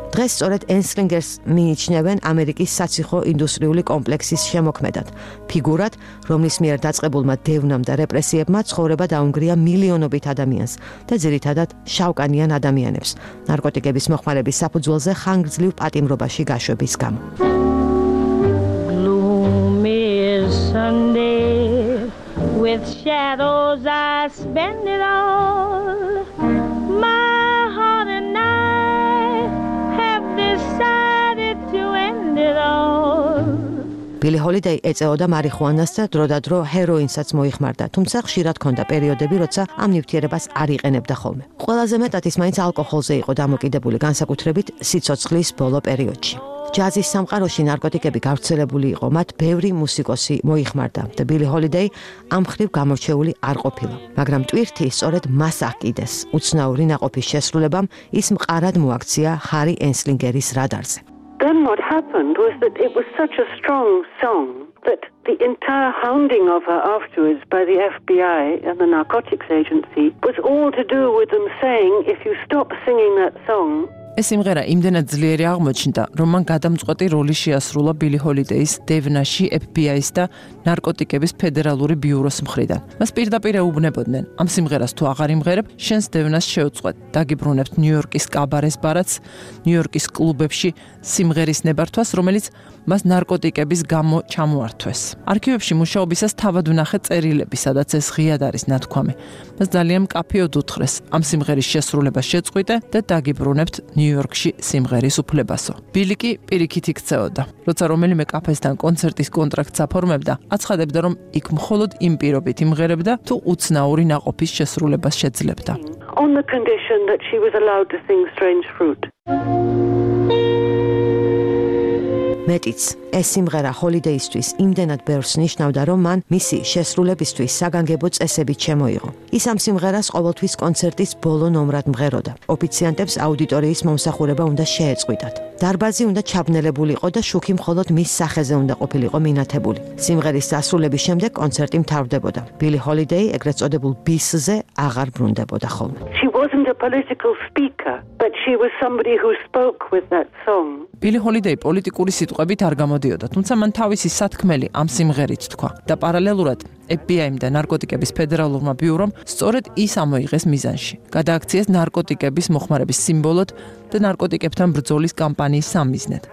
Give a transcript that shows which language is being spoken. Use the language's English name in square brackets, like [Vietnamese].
[Georgian] დღეს სწორედ ენსლინგერს მიიჩნევენ ამერიკის საციხო ინდუსტრიული კომპლექსის შემოქმედად, ფიგურად, რომლის მიერ დაწყებულმა დევნამ და რეპრესიებმა ცხოვრება დაუნგრია მილიონობით ადამიანს და ძირითადად შავკანიან ადამიანებს. ნარკოტიკების მოხმარების საფუძველზე ხანგრძლივ პატიმრობაში გაშვების გამო. [English] Gloomy Sunday with shadows I spend it all. My heart and I have decided to end it all. [Georgian] ბილი ჰოლიდეი ეწეოდა მარიხუანას და დროდადრო ჰეროინსაც მოიხმარდა, თუმცა ხშირად ჰქონდა პერიოდები, როცა ამ ნივთიერებას არ იყენებდა ხოლმე. ყველაზე მეტად ის მაინც ალკოჰოლზე იყო დამოკიდებული, განსაკუთრებით სიცოცხლის ბოლო პერიოდში. ჯაზის სამყაროში ნარკოტიკები გავრცელებული იყო, მათ ბევრი მუსიკოსი მოიხმარდა და ბილი ჰოლიდეი ამ ხრივ გამორჩეული არ ყოფილა. მაგრამ ტვირთი სწორედ მას აკიდეს. უცნაური ნაყოფის შესრულებამ ის მყარად მოაქცია ჰარი ენსლინგერის რადარზე. [English] Then what happened was that it was such a strong song that the entire hounding of her afterwards by the FBI and the narcotics agency was all to do with them saying, if you stop singing that song, [Georgian] ეს სიმღერა იმდენად ძლიერი აღმოჩნდა, რომ მან გადამწყვეტი როლი შეასრულა ბილი ჰოლიდეის დევნაში FBI-ს და ნარკოტიკების ფედერალური ბიუროს მხრიდან. მას პირდაპირ ეუბნებოდნენ: ამ სიმღერას თუ აღარ იმღერებ, შენს დევნას შეუწყვეტ. დაგიბრუნებთ ნიუ-იორკის კაბარეს ბარათს, ნიუ-იორკის კლუბებში სიმღერის ნებართვას, რომელიც მას ნარკოტიკების გამო ჩამოართვეს. არქივებში მუშაობისას თავად ვნახე წერილები, სადაც ეს ღიად არის ნათქვამი. მას ძალიან მკაფიოდ უთხრეს: ამ სიმღერის შესრულება შეწყვიტე და დაგიბრუნებთ ნიუ-იორკში სიმღერის უფლებასო. ბილი კი პირიქით იქცეოდა. როცა რომელიმე კაფესთან კონცერტის კონტრაქტს აფორმებდა, აცხადებდა, რომ იქ მხოლოდ იმ პირობით იმღერებდა, თუ უცნაური ნაყოფის შესრულებას შეძლებდა. [English] On the condition that she was allowed to sing Strange Fruit. [Georgian] მეტიც, ეს სიმღერა ჰოლიდეისთვის იმდენად ბევრს ნიშნავდა, რომ მან მისი შესრულებისთვის საგანგებო წესები ჩემოიღო. ის ამ სიმღერას ყოველთვის კონცერტის ბოლო ნომრად მღეროდა. ოფიციანტებს აუდიტორიის მომსახურება უნდა შეეწყვიტათ. დარბაზი უნდა ჩაბნელებულიყო და შუქი მხოლოდ მის სახეზე უნდა ყოფილიყო მინათებული. სიმღერის დასრულების შემდეგ კონცერტი მთავრდებოდა. ბილი ჰოლიდეი, ეგრეთ წოდებულ ბისზე, აღარ ბრუნდებოდა ხოლმე. [English] Wasn't a political speaker, but she was somebody who spoke with that song. [Georgian] ბილი ჰოლიდეი პოლიტიკური სიტყვებით არ გამოდიოდა, თუმცა მან თავისი სათქმელი ამ სიმღერით თქვა. და პარალელურად FBI-მ და ნარკოტიკების ფედერალურმა ბიურომ სწორედ ის ამოიღეს მიზანში. გადააქციეს ნარკოტიკების მოხმარების სიმბოლოდ და ნარკოტიკებთან ბრძოლის კამპანიის სამიზნედ.